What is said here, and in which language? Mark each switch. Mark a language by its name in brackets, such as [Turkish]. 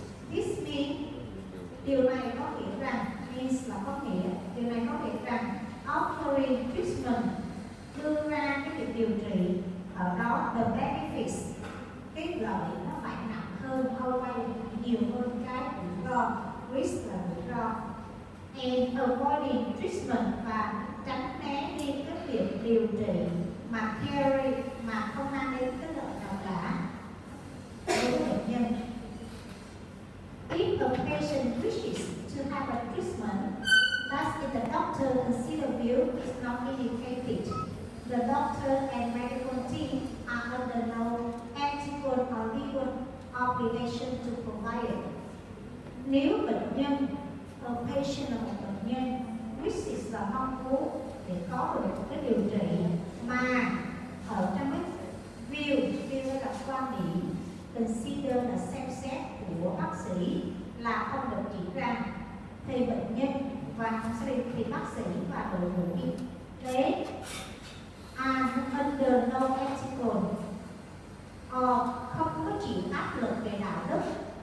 [English] This means [Vietnamese] điều này có nghĩa rằng means là có nghĩa điều này có nghĩa rằng [English] offering treatment [Vietnamese] đưa ra cái việc điều trị ở đó [English] the benefits [Vietnamese] cái lợi nó phải nặng hơn, hơn nhiều hơn cái rủi ro, risk là rủi ro. [English] and avoiding treatment [Vietnamese] và tránh né đi các việc điều trị mà [English] carry [Vietnamese] mà không mang đến cái lợi nào cả đối với bệnh nhân. [English] If a patient wishes to have a treatment, thus if the doctor considers you is not indicated, the doctor and medical team are under no ethical or legal obligation to provide it. [Vietnamese] Nếu bệnh nhân, [English] a patient of [Vietnamese] bệnh nhân, [English] wishes [Vietnamese] là mong muốn để có được cái điều trị mà ở trong cái [English] view [Vietnamese] là quan điểm, [English] consider [Vietnamese] là xem xét của bác sĩ là không được chỉ ra, thì bệnh nhân và thì bác sĩ và đội ngũ y tế [English] are under no ethical or [Vietnamese] không có chịu áp lực về đạo đức.